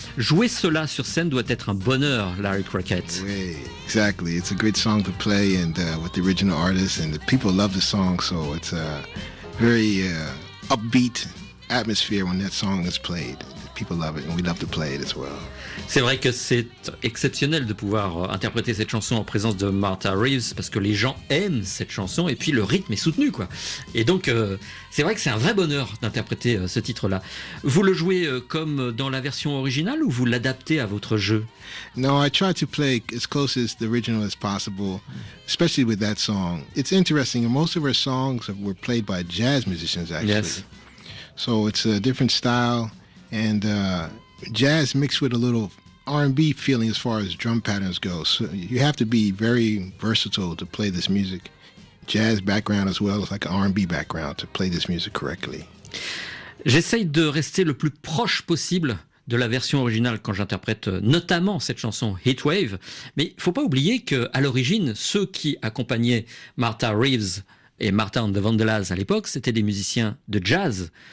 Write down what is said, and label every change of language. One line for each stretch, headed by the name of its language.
French: Jouer cela sur scène doit être un bonheur, Larry Crockett.
English: Oui, exactly. It's a great song to play and with the original artist and the people love the song, so it's a very upbeat atmosphere when that song is played. People love it and we love to play it as well.
French: C'est vrai que c'est exceptionnel de pouvoir interpréter cette chanson en présence de Martha Reeves parce que les gens aiment cette chanson et puis le rythme est soutenu quoi. Et donc c'est vrai que c'est un vrai bonheur d'interpréter ce titre-là. Vous le jouez comme dans la version originale ou vous l'adaptez à votre jeu?
English: No, I try to play as close as the original as possible, especially with that song. It's interesting, most of her songs were played by jazz musicians actually. Yes. So it's a different style. And jazz mixed with a little R&B feeling as far as drum patterns go. So you have to be very versatile to play this music. Jazz background as well as like an R&B background to play this music correctly.
French: J'essaye de rester le plus proche possible de la version originale quand j'interprète notamment cette chanson Heatwave. Mais il ne faut pas oublier qu'à l'origine, ceux qui accompagnaient Martha Reeves et Martha and the Vandellas à l'époque, c'était des musiciens de jazz.